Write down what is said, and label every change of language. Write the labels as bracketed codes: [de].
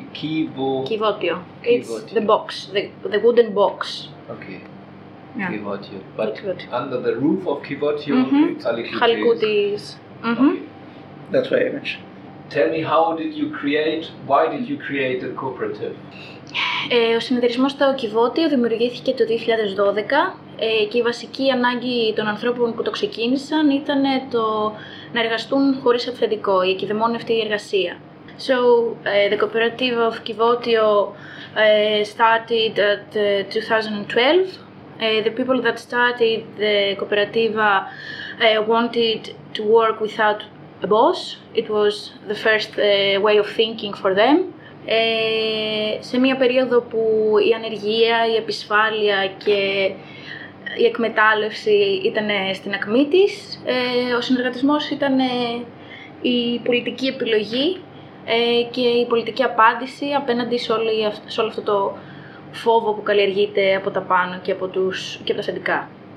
[en] Kivotio. It's the box, the wooden box. Okay. Yeah. Kivotio. But Kivotio. Under the roof of Kivotio, it's Khalikuti. That's why I mentioned. Tell me, how did you create, why did you create a cooperative? [el] Ο συνεταιρισμός στο Κιβώτιο δημιουργήθηκε το 2012 και η βασική ανάγκη των ανθρώπων που το ξεκίνησαν ήταν το να εργαστούν χωρίς αφεντικό, η εκειδεμόνευτη εργασία. [en] So the cooperative of Kivotio started at 2012. The people that started the cooperativa wanted to work without a boss. It was the first way of thinking for them. [el] Σε μια περίοδο που η ανεργία, η επισφάλεια και η εκμετάλλευση ήταν στην ακμή της, ο συνεργατισμός ήταν η πολιτική επιλογή και η πολιτική απάντηση απέναντι σε όλο αυτό το φόβο που καλλιεργείται από τα πάνω και και από τα αφεντικά.